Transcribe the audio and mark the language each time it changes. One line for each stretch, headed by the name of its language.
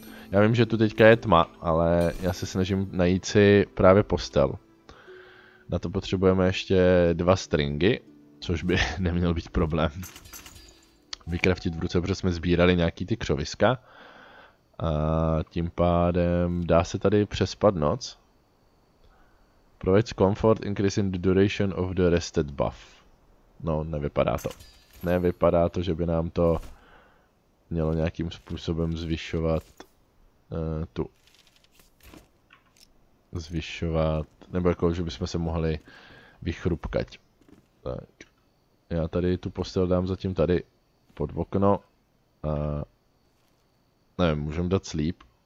Czech: Já vím, že tu teďka je tma, ale já se snažím najít si právě postel. Na to potřebujeme ještě dva stringy, což by neměl být problém. Vycraftit v ruce, protože jsme sbírali nějaký ty křoviska. A tím pádem dá se tady přespat noc.
English: Provide comfort, increasing the duration of the rested buff.
Czech: No, nevypadá to. Nevypadá to, že by nám to mělo nějakým způsobem zvyšovat... tu zvyšovat, nebo jako, že bychom se mohli vychrupkať. Tak. Já tady tu postel dám zatím tady pod okno a nevím, můžeme dát sleep.